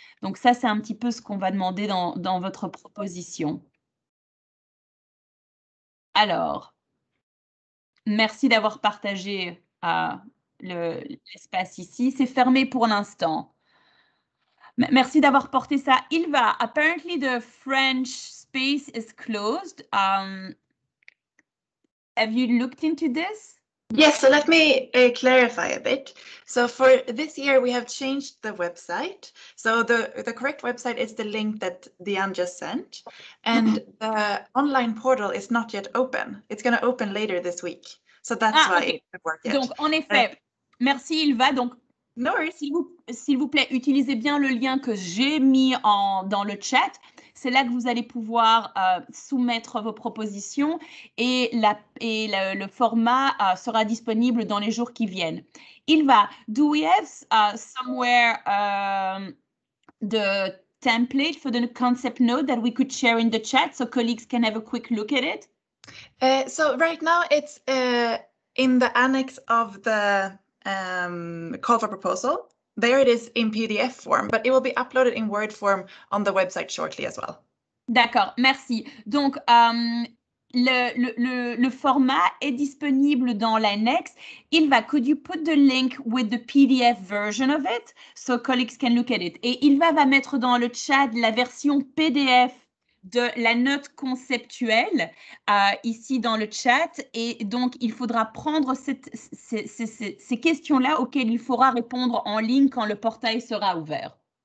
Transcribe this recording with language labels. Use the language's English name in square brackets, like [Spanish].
[French] Donc ça, c'est un petit peu ce qu'on va demander dans votre proposition. Alors, merci d'avoir partagé l'espace ici. C'est fermé pour l'instant. Merci d'avoir porté ça. [English] Ilva, apparently the French space is closed. Have you looked into this? Yes, so let me clarify a bit. So for this year, we have changed the website. So the correct website is the link that Diane just sent. And the online portal is not yet open. It's going to open later this week. So that's why okay. It didn't work yet. [French] Donc, en effet, merci, Ilva. Donc, [English] no worries. [French] S'il vous plaît, utilisez bien le lien que j'ai mis dans le chat. C'est là que vous allez pouvoir soumettre vos propositions et le format sera disponible dans les jours qui viennent. [English] Ilva, do we have somewhere the template for the concept note that we could share in the chat so colleagues can have a quick look at it? So right now it's in the annex of the call for proposal. There it is in PDF form, but it will be uploaded in Word form on the website shortly as well. [French] D'accord, merci. Donc, le format est disponible dans l'annexe. [English] Ilva, could you put the link with the PDF version of it so colleagues can look at it? [French] Et Ilva va mettre dans le chat la version PDF de la note conceptuelle ici dans le chat. Et donc, il faudra prendre ces questions-là auxquelles il faudra répondre en ligne quand le portail sera ouvert.